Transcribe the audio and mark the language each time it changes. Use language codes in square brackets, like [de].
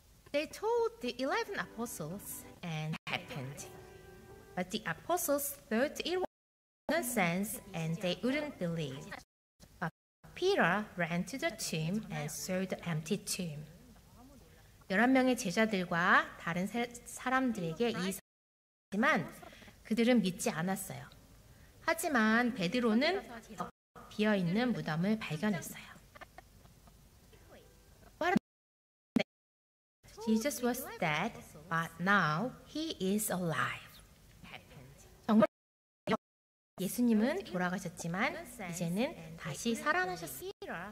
[en] They told the 11 apostles and happened, but the apostles thought it was nonsense and they wouldn't believe. Peter ran to the tomb and saw the empty tomb. [ko] 11명의 제자들과 다른 사람들에게 이 사실을 말했지만 그들은 믿지 않았어요. 하지만 베드로는 비어 있는 무덤을 발견했어요. [en] Jesus was dead, but now he is alive. [ko] 예수님은 돌아가셨지만 이제는 다시 살아나셨습니다.